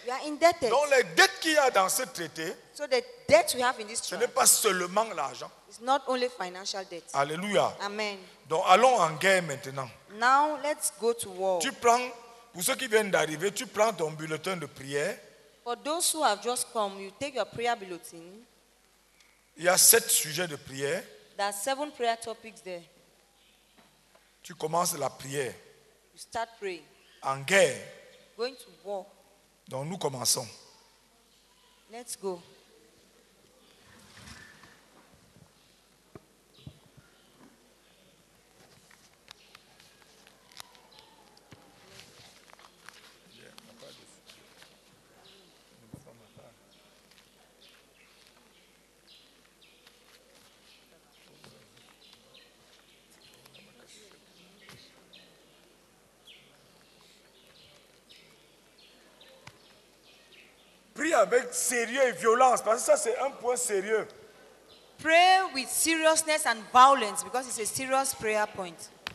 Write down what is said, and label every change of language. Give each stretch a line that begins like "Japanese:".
English: You are indebted.
French: Donc les dettes qu'il y a dans ce traité,
English: so the debt we have in this
French: ce n'est pas seulement l'argent.
English: It's not only financial debt.
French: Alléluia.
English: Amen.
French: Donc allons en guerre maintenant.
English: Now let's go to war.
French: Tu prends, pour ceux qui viennent d'arriver, tu prends ton bulletin de prière.
English: For those who have just come, you take your prayer bulletin.
French: Il y a 7 sujets de prière.
English: There are 7 prayer topics there.
French: Tu commences la prière.
English: You start praying.
French: En guerre.
English: Going to war.
French: Donc nous commençons.
English: Let's go.
French: Prie avec sérieux et violence parce que ça c'est un point sérieux.
English: Pray with seriousness and violence because it's a serious prayer point.